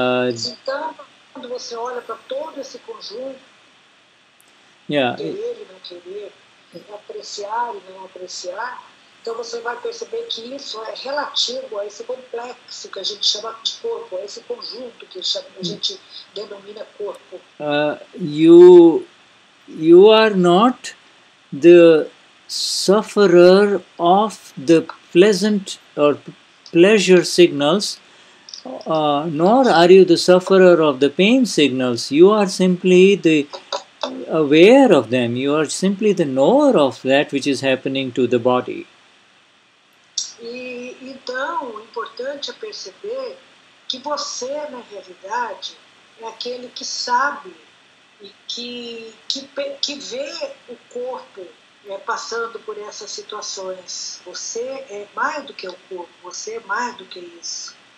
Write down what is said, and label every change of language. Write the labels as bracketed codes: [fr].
[pt] Então, quando você olha para todo esse conjunto, querer e não querer, apreciar e não apreciar, então você vai perceber que isso é relativo a esse complexo que a gente chama de corpo, a esse conjunto que a gente denomina corpo. [en] You are not the sufferer of the pleasant or pleasure signals, nor are you the sufferer of the pain signals. You are simply the aware of them. You are simply the knower of that which is happening to the body. [pt] Então, o importante é perceber que você, na realidade, é aquele que sabe e que vê o corpo passando por essas situações. Você é mais do que o corpo, você é mais do que isso.